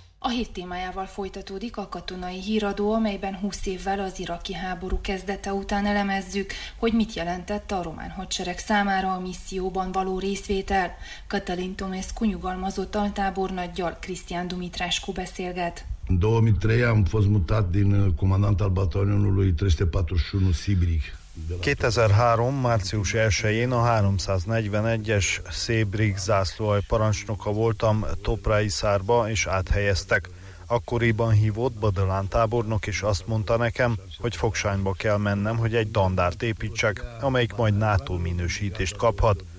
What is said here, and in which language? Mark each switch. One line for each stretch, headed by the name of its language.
Hungarian: hét témájával folytatódik a katonai híradó, amelyben 20 évvel az iraki háború kezdete után elemezzük, hogy mit jelentett a román hadsereg számára a misszióban való részvétel. Katalin Tomescu nyugalmazott altábornaggyal, Krisztián Dumitrescu beszélget.
Romanian: 2003 am fost mutat din comandant al batalionului 341 Sibrig.
Hungarian: 2003. március 1-én a 341-es Szébrig zászlóalj parancsnoka voltam Toprai Szárba, és áthelyeztek. Akkoriban hívott Badalán tábornok, és azt mondta nekem, hogy fogsányba kell mennem, hogy egy dandárt építsek, amelyik majd NATO minősítést kaphat.